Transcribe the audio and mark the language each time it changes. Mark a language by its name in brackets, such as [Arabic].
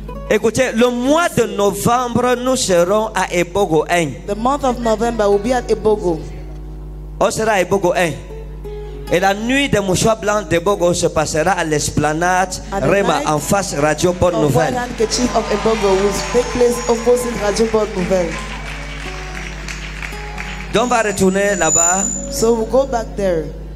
[French] Écoutez, le mois de novembre, nous serons à Ebogo 1. [English] The month of November will be at Ebogo. [French] On sera à Ebogo 1. Et la nuit des mouchoirs blancs d'Ebogo se passera à l'esplanade Rema en face Radio Bonne Nouvelle. [English] The night the of Ebogo will take place opposite Radio Bonne Nouvelle. [French] Donc on va retourner là-bas. [English] So we'll go back there.